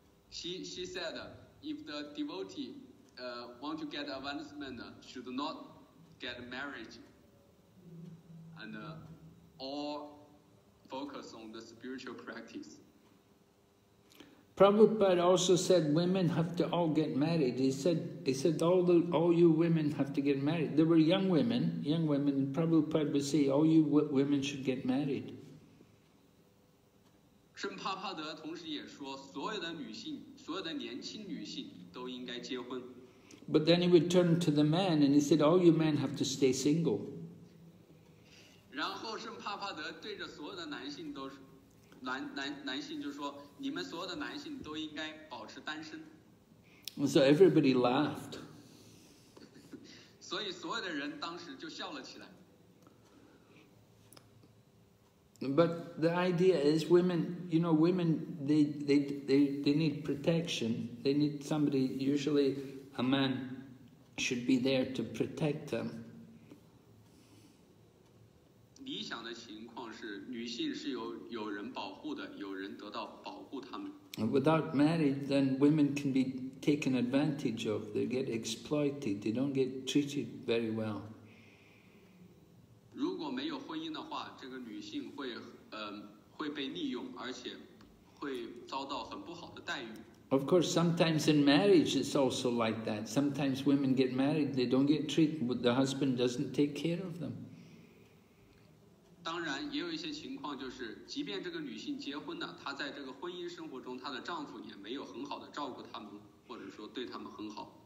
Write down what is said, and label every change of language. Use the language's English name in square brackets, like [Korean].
[English] She said, if the devotee want to get advancement, should not get married, and all focus on the spiritual practice. Prabhupada also said women have to all get married. He said all you women have to get married. There were young women, and Prabhupada would say all you women should get married. [Chinese] 圣帕帕德同时也说所有的女性所有的年轻女性都应该结婚。 [English] But then he would turn to the man and he said, all you men have to stay single. [Chinese] 然后圣帕帕德对着所有的男性就说你们所有的男性都应该保持单身。 [English] And so everybody laughed. [Chinese] 所以所有的人当时就笑了起来。 [English] But the idea is women, you know, women, they need protection. They need somebody, usually a man should be there to protect them. [Chinese] 理想的情况是女性是有人保护的，有人得到保护她们。 [English] Without marriage, then women can be taken advantage of. They get exploited. They don't get treated very well. [Chinese] 如果没有婚姻的话，这个女性会被利用，而且会遭到很不好的待遇。 [English] Of course, sometimes in marriage it's also like that. Sometimes women get married, they don't get treated, the husband doesn't take care of them. [Chinese] 当然，也有一些情况就是，即便这个女性结婚了，她在这个婚姻生活中，她的丈夫也没有很好的照顾她们，或者说对她们很好。